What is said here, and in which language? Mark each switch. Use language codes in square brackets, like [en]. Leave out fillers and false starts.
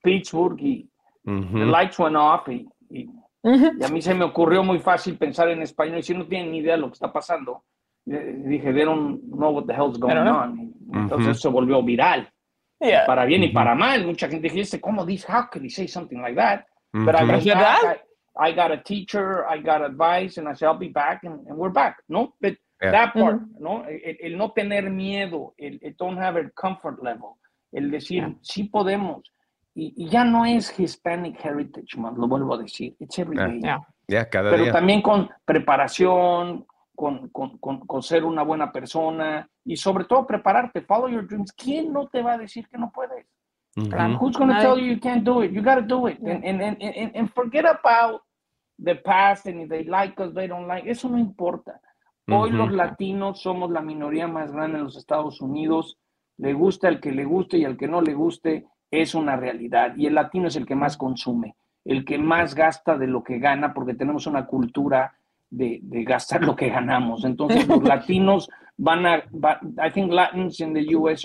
[es] Pittsburgh, y mm-hmm. [en] The lights went off, [es] y a mí se me ocurrió muy fácil pensar en español, y si no tienen ni idea de lo que está pasando, dije, [en] they don't know what the hell's going on, [es] y entonces mm-hmm. Se volvió viral, [en] yeah. [es] Para bien mm-hmm. Y para mal, mucha gente dice, ¿cómo dice? [en] How can he say something like that? Mm-hmm. But I got a teacher, I got advice, and I said, I'll be back, and we're back, ¿no? But yeah. That part, [es] mm-hmm. ¿No? El no tener miedo, el [en] don't have a comfort level, [es] el decir, yeah. Sí podemos. Y ya no es Hispanic Heritage Month, lo vuelvo a decir. [en] It's every day. Yeah, [es] cada pero día. Pero también con preparación, con ser una buena persona y sobre todo prepararte. [en] Follow your dreams. [es] ¿Quién no te va a decir que no puedes? Mm-hmm. [en] Who's going to tell you can't do it? You got to do it. Yeah. And forget about the past and if they like us, they don't like. [es] Eso no importa. Hoy mm-hmm. Los latinos somos la minoría más grande en los Estados Unidos. Le gusta al que le guste y al que no le guste, es una realidad. Y el latino es el que más consume, el que más gasta de lo que gana, porque tenemos una cultura de gastar lo que ganamos. Entonces, los latinos van a, [en] I think Latins in the U.S.